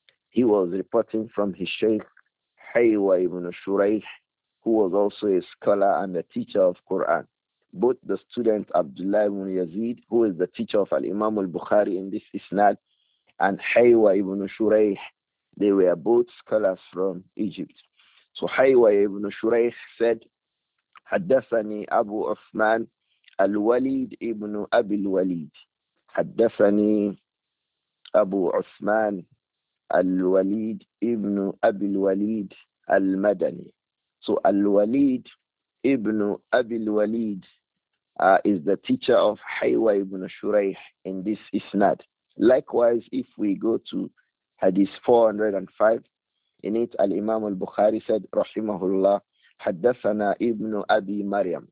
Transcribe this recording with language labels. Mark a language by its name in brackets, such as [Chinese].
[English] He was reporting from his Sheikh Haywa ibn Shuraih, who was also a scholar and a teacher of Quran. Both the student Abdullah ibn Yazid, who is the teacher of Al-Imam al-Bukhari in this isnad, and Haywa ibn Shuraih, they were both scholars from Egypt. So Haywa ibn Shuraih said, [Arabic] حدثني أبو عثمان الوليد ابن أبي الوليد. حدثني أبو عثمان الوليد ابن أبي الوليد المدني. [English] So الوليد ابن أبي الوليد is the teacher of Haywa ibn Shuraih in this isnad. Likewise, if we go to Hadith 405, in it Al-Imam al-Bukhari said, Rahimahullah, Haddathana ibn Abi Maryam.